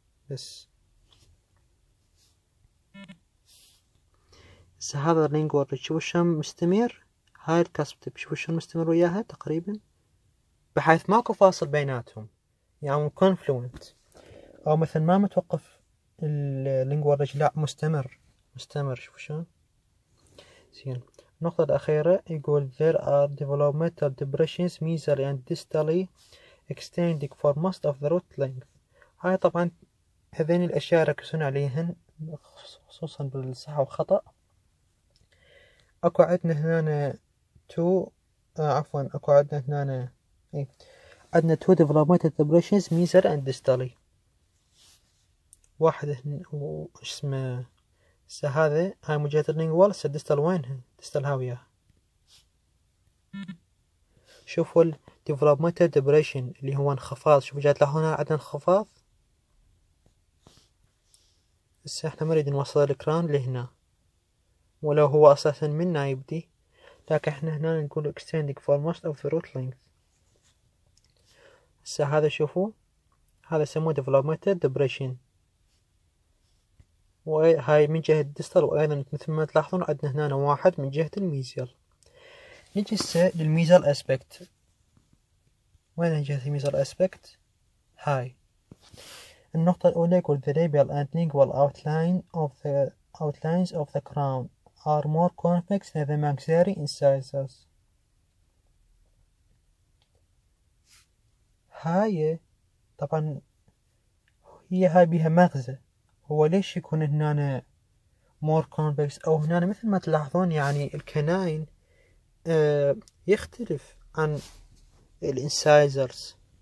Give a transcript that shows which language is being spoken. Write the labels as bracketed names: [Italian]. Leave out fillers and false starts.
[Arabic] بس هذا اللينجوال ريج، شوفوا شلون مستمر، هاي الكاسب تيب شوفوا شلون مستمر وياها تقريبا، بحيث ماكو فاصل بيناتهم، يعني كونفلوينت او مثلا ما متوقف اللينجوال ريج، لا مستمر مستمر. شوفوا شلون زين. النقطة الأخيرة يقول [English] there are developmental depressions mesially and distally extending for most of the root length. [Arabic] هاي طبعا هذين الأشياء ركزون عليهن خصوصا بالصحة والخطأ. أكو عندنا هنا تو عفوا أكو عندنا هنا عندنا تو [English] developmental depressions mesial and distally. [Arabic] واحد هنا وش اسمه هسه هذا، هاي مو جهة اللينجوال، هسه الديستال وينها؟ الديستال هاوية. شوفوا ال developmental depression اللي هو انخفاض، شوفوا جهة لاحظونها عندنا انخفاض، بس احنا ما نريد نوصل الكران لهنا، ولو هو اساسا منا يبدي، لكن احنا هنا نقول [English] extending for most of the root length. [Arabic] هسه هذا شوفوا، هذا يسموه developmental depression، وهاي من جهة الدستر، وأيضا مثل ما تلاحظون عندنا هنا واحد من جهة الميزيال. نجي هسه للميزيال أسبكت، وين جهة الميزيال أسبكت؟ هاي النقطة الأولى يقول [English] the labial and lingual outline of the outlines of the crown are more convex than the maxillary incisors. [Arabic] هاي طبعا هي هاي بها مغزى، هو ليش يكون هنا مور كونفكس او هنا مثل ما تلاحظون، يعني الكناين يختلف عن الانسايزرز.